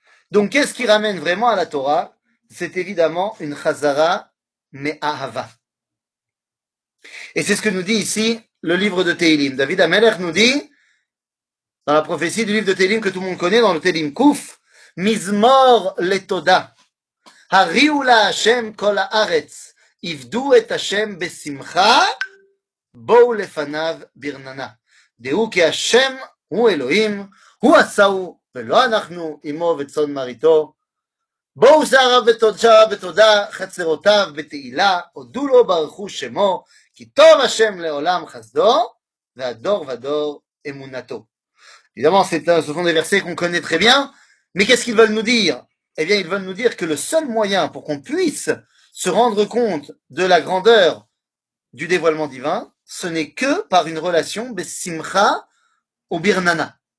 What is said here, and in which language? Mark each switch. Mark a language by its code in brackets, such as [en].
[fr] Donc, qu'est-ce qui ramène vraiment à la Torah? C'est évidemment une chazara me'ahava. Et c'est ce que nous dit ici le livre de Tehilim. David Amelech nous dit, dans la prophétie du livre de Tehilim que tout le monde connaît, dans le Tehilim Kouf, « [he] Mizmor letoda » הריעו לה השם כל הארץ, עבדו את השם בשמחה, בואו לפניו ברננה. דעו כי השם הוא אלוהים, הוא עשהו, ולא אנחנו אמו וצאן מרעיתו. בואו שערה ותודה חצרותיו בתהילה, הודו לו ברכו שמו, כי טוב השם לעולם חסדו, והדור ודור אמונתו. [fr] Évidemment, c'est ce sont des versets qu'on connaît très bien, mais qu'est-ce qu'ils veulent nous dire? Eh bien, ils veulent nous dire que le seul moyen pour qu'on puisse se rendre compte de la grandeur du dévoilement divin, ce n'est que par une relation besimcha au birnana.